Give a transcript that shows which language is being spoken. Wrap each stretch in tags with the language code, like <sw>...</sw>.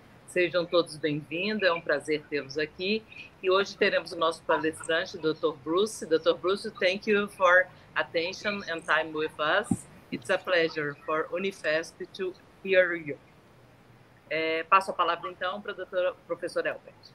<pt>Sejam todos bem-vindos, é um prazer tê-los aqui. E hoje teremos o nosso palestrante, Dr. Bruce. Dr.</pt> <en>Bruce, thank you for attention and time with us. It's a pleasure for Unifesp to hear you.</en> <pt>Passo a palavra, então, para o professor Elbert.</pt>